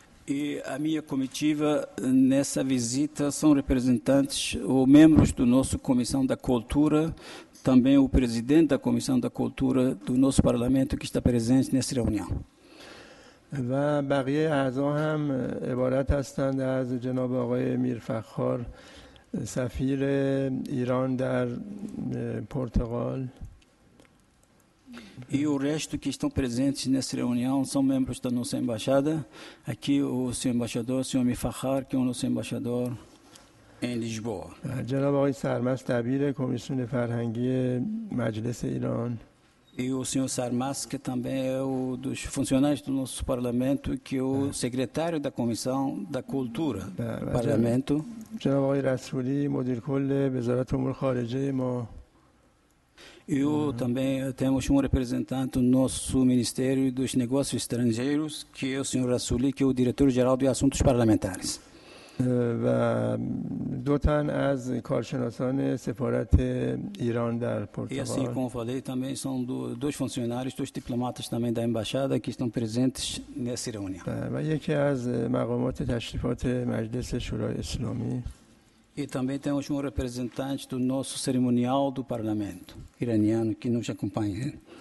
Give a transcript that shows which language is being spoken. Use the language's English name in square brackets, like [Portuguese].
[Portuguese] E a minha comitiva nessa visita são representantes ou membros do nosso Comissão da Cultura, também o presidente da Comissão da Cultura do nosso Parlamento que está presente nessa reunião. [Persian] و بقیه اعضا هم عبارت هستند از جناب آقای میرفخار سفیر ایران در پرتغال. [Portuguese] E o resto que estão presentes nessa reunião são membros da nossa embaixada. Aqui o senhor embaixador, o senhor Mifakhar, que é o nosso embaixador em Lisboa. [Persian] جناب آقای سرمست دبیر کمیسیون فرهنگی مجلس ایران. [Portuguese] E o senhor Sarmas, que também é um dos funcionários do nosso parlamento, que é o secretário da Comissão da Cultura do parlamento. [Persian] جناب آقای رسولی مدیر کل وزارت امور خارجه ما. [Portuguese] E também temos um representante do nosso Ministério dos Negócios Estrangeiros, que é o senhor Rasuli, que é o diretor-geral de Assuntos Parlamentares. [Persian] و دو تن از کارشناسان سفارت ایران در پرتغال. [Portuguese] E assim como falei, também são dois funcionários, dois diplomatas também da embaixada que estão presentes nessa reunião. [Persian] و یکی از مقامات تشریفات مجلس شورای اسلامی. [Portuguese] E também temos representante do nosso cerimonial do parlamento iraniano que nos acompanha.